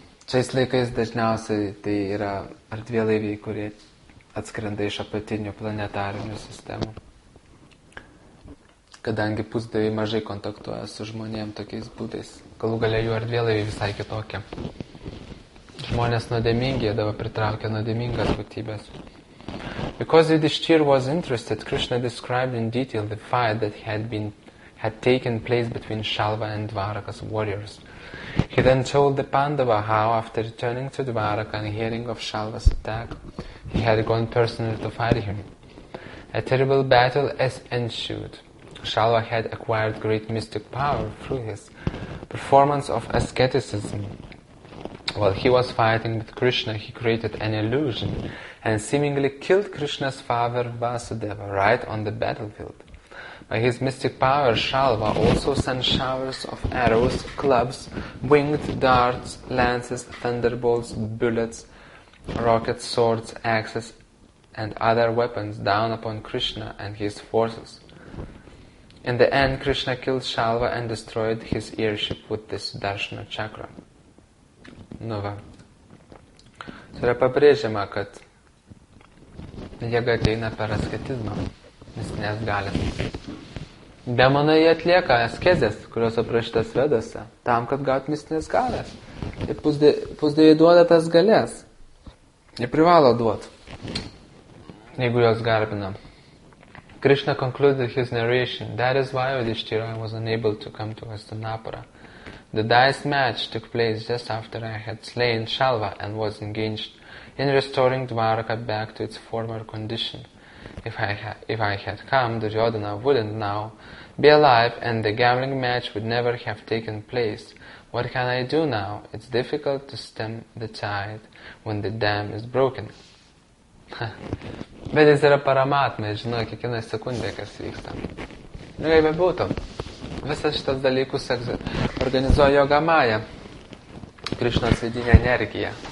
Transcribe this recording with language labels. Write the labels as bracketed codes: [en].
[lt] Šiais laikais dažniausiai tai yra erdvėlaiviai, kurie atskrenda iš apatinių planetarinių sistemų. Kadangi pusdieviai mažai kontaktuoja su žmonėm tokiais būdais. Galų gale jų erdvėlaiviai visai kitokie. Žmonės nuodėmingi, dabar pritraukia nuodėmingas būtybės. [en] Because Yudhishthir was interested, Krishna described in detail the fight that had taken place between Shalva and Dvaraka's warriors. He then told the Pandava how, after returning to Dvaraka and hearing of Shalva's attack, he had gone personally to fight him. A terrible battle ensued. Shalva had acquired great mystic power through his performance of asceticism. While he was fighting with Krishna, he created an illusion and seemingly killed Krishna's father Vasudeva right on the battlefield. By his mystic power, Shalva also sent showers of arrows, clubs, winged darts, lances, thunderbolts, bullets, rockets, swords, axes, and other weapons down upon Krishna and his forces. In the end, Krishna killed Shalva and destroyed his earship with the Sudarshana chakra. [lt] Nu va. Tai yra pabrėžiama, kad jėga ateina per asketizmą, mistinės galios. Demonai jie atlieka askezės, kurios aprašytas vedose, tam, kad gaut mistinės galios. Ir pusdieviai duoda tas galės. Jie privalo duot, jeigu jos garbina. [en] Krishna concluded his narration, that is why Yudhishthira was unable to come to Hastinapura. The dice match took place just after I had slain Shalva and was engaged in restoring Dvaraka back to its former condition. If I had come, Duryodhana wouldn't now be alive and the gambling match would never have taken place. What can I do now? It's difficult to stem the tide when the dam is broken. [lt] Bet jis yra paramatma, žinau, kiekvieną sekundę, kas vyksta. Nu, kaip bebūtų. Visas šitas dalykus organizuoja Yoga Maya. Krišnos vidinė energija.